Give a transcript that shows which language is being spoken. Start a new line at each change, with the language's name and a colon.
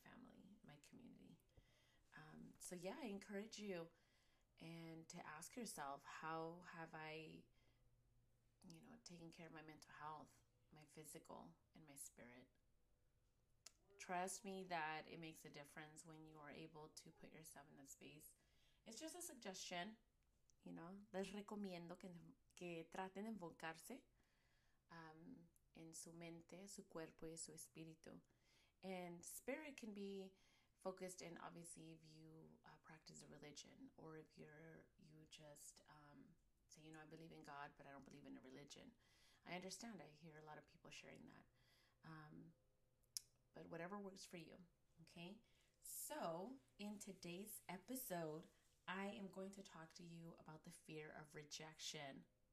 English: My family, my community. I encourage you and to ask yourself, how have I, you know, taken care of my mental health, my physical, and my spirit? Trust me that it makes a difference when you are able to put yourself in that space. It's just a suggestion, you know.
Spanish: Les recomiendo que traten de enfocarse en su mente, su cuerpo y su espíritu.
English: And spirit can be focused in, obviously, if you practice a religion or if you just say, you know, I believe in God, but I don't believe in a religion. I understand. I hear a lot of people sharing that. But whatever works for you, okay? So in today's episode, I am going to talk to you about the fear of rejection.